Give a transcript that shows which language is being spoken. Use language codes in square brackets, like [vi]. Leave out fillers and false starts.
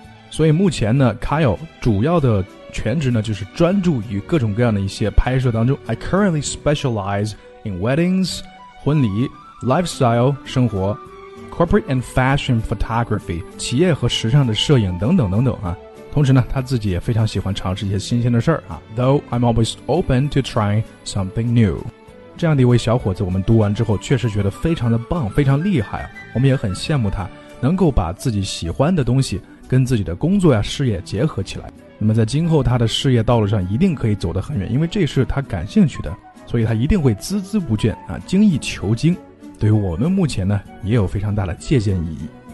[zh] 所以目前呢 ，Kyle 主要的全职呢就是专注于各种各样的一些拍摄当中。 [en] I currently specialize in weddings, [zh] 婚礼、 [en] lifestyle [zh] 生活、 [en] corporate and fashion photography [zh] 企业和时尚的摄影等等等等啊。同时呢，他自己也非常喜欢尝试一些新鲜的事儿啊。 [en] Though I'm always open to trying something new。 [zh] 这样的一位小伙子，我们读完之后确实觉得非常的棒，非常厉害啊。我们也很羡慕他能够把自己喜欢的东西。跟自己的工作呀、事业结合起来，那么在今后他的事业道路上一定可以走得很远，因为这是他感兴趣的，所以他一定会孜孜不倦啊，精益求精，对于我们目前呢也有非常大的借鉴意义。